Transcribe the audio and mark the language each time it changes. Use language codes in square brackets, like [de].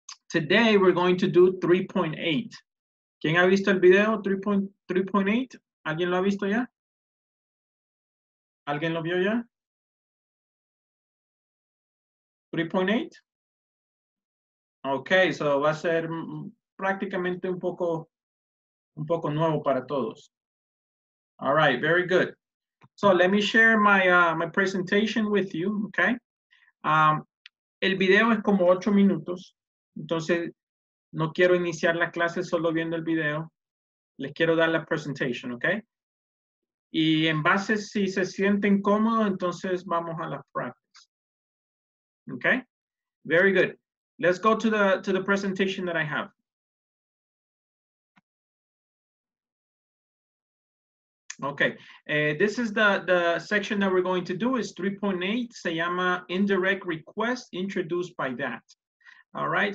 [en] Today we're going to do 3.8. [es] ¿Quién ha visto el video 3.8? ¿Alguien lo ha visto ya? ¿Alguien lo vio ya? 3.8? Okay, so va a ser prácticamente un poco nuevo para todos. [en] All right, very good. So let me share my presentation with you, okay? [es] El video es como 8 minutos, entonces no quiero iniciar la clase solo viendo el video. Les quiero dar la presentation, ¿ok? Y en base, si se sienten cómodos, entonces vamos a la practice. [en] ¿Ok? Very good. Let's go to the presentation that I have. Ok. This is the section that we're going to do. It's 3.8. [es] Se llama [en] Indirect Request Introduced by That. All right.